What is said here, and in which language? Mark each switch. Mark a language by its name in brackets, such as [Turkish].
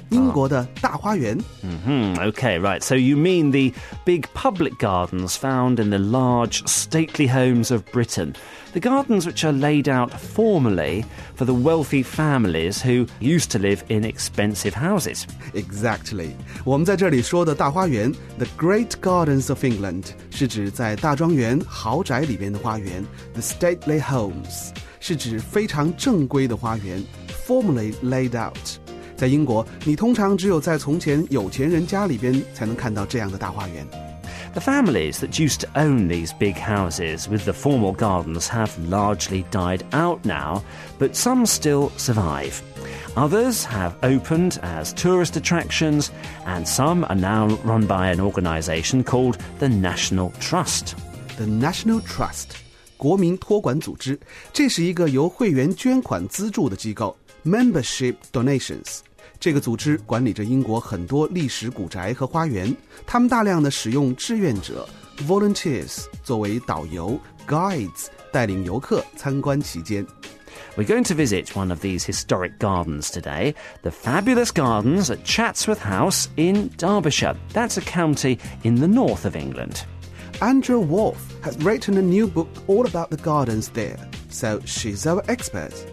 [Chinese] 英国的大花园. [English] Okay, right, so you mean the big public gardens found in the large, stately homes of Britain. The gardens which are laid out formally for the wealthy families who used to live in expensive houses. Exactly. [Chinese] 我们在这里说的大花园, [English] the great gardens of England, [Chinese] 是指在大庄园豪宅里面的花园, [English] the stately homes. [Chinese] 是指非常正规的花园, [English] formally laid out. [Chinese] 在英国, 你通常只有在从前有钱人家里边才能看到这样的大花园。 [English] The families that used to own these big houses with the formal gardens have largely died out now, but some still survive. Others have opened as tourist attractions, and some are now run by an organisation called the National Trust. The National Trust. [Chinese] 国民托管组织, 这是一个由会员捐款资助的机构, [English] Membership Donations. [Chinese] 这个组织管理着英国很多历史古宅和花园, 他们大量的使用志愿者, Volunteers, 作为导游, Guides, 带领游客参观期间。 We're going to visit one of these historic gardens today, the fabulous gardens at Chatsworth House in Derbyshire. That's a county in the north of England. Andrew Wolf has written a new book all about the gardens there, so she's our expert.